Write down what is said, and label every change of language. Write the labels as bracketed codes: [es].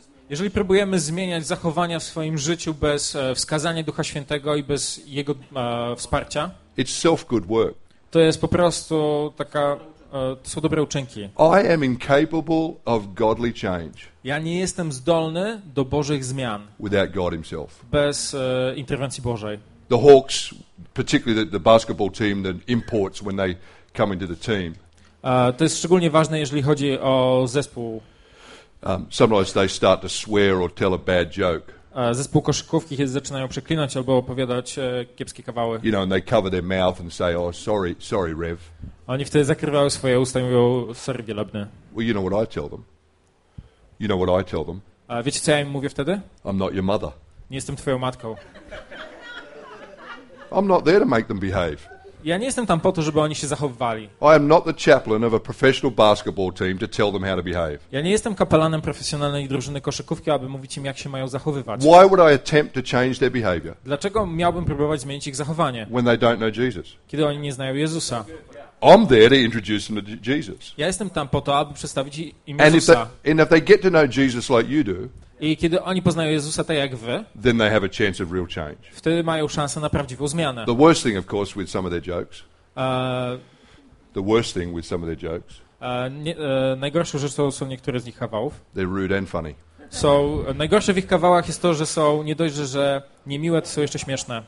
[pl] Jeżeli próbujemy zmieniać zachowania w swoim życiu bez wskazania Ducha Świętego i bez Jego wsparcia, [en] it's self-good work. [pl] To jest po prostu taka, to są dobre uczynki. [en] I am incapable of godly change. [pl] Ja nie jestem zdolny do Bożych zmian [en] without God himself. [pl] Bez interwencji Bożej. [en] The Hawks, particularly the basketball team that imports when they come into the team. [pl] To jest szczególnie ważne, jeżeli chodzi o zespół. [en] Sometimes they start to swear or tell a bad joke. [pl] Zespół koszykówki zaczynają przeklinać albo opowiadać kiepskie kawały. [en] You know, and they cover their mouth and say, "Oh, sorry, sorry, Rev." [pl] Oni wtedy zakrywają swoje usta i mówią, "Sorry, wielebny." [en] Well, you know what I tell them? You know what I tell them? [pl] Wiecie, co ja im mówię wtedy? [en] I'm not your mother. [pl] Nie jestem twoją matką. [en] I'm not there to make them behave. [pl] Ja nie jestem tam po to, żeby oni się zachowywali. [en] I am not the chaplain of a professional basketball team to tell them how to behave. [pl] Ja nie jestem kapelanem profesjonalnej drużyny koszykówki, aby mówić im, jak się mają zachowywać. [en] Why would I attempt to change their behavior? [pl] Dlaczego miałbym próbować zmienić ich zachowanie? [en] When they don't know Jesus. [pl] Kiedy oni nie znają Jezusa. [en] I'm there to introduce them to Jesus. [pl] Ja jestem tam po to, aby przedstawić im Jezusa. [en] And if they get to know Jesus like you do, [pl] i kiedy oni poznają Jezusa tak jak wy, [en] then they have a chance of real change. [pl] Wtedy mają szansę na prawdziwą zmianę. [en] The worst thing, of course, with some of their jokes. The worst thing with some of their jokes. [pl] Najgorsze rzeczą są niektóre z ich kawałów. [en] They're rude and funny. [pl] So, najgorsze w ich kawałach jest to, że są nie dość, że niemiłe, to są jeszcze śmieszne.